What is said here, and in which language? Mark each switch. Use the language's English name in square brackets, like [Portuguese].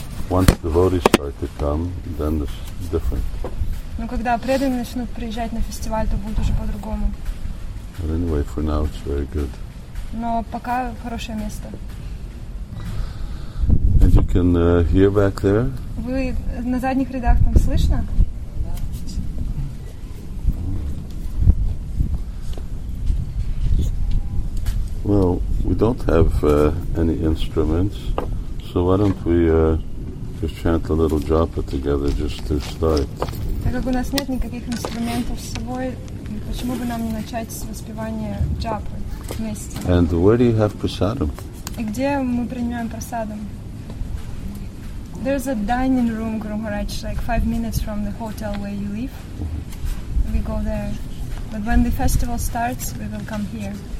[English] once devotees start to come, then it's different. [Russian] Но когда преданные начнут приезжать на фестиваль, то будет уже по-другому. [English] But anyway, for now it's very good. [Russian] Но пока хорошее место. [English] And you can hear back there? [Russian] Вы на задних рядах там слышно? [English] Well, we don't have any instruments, so why don't we just chant a little japa together just to start? [Russian] Так как у нас нет никаких инструментов с собой, почему бы нам не начать с воспевания джапы вместе? [English] And where do you have prasadam? [Russian] И где мы принимаем прасадам? [English] There's a dining room, Grumharaj, like 5 minutes from the hotel where you live. We go there. But when the festival starts, we will come here.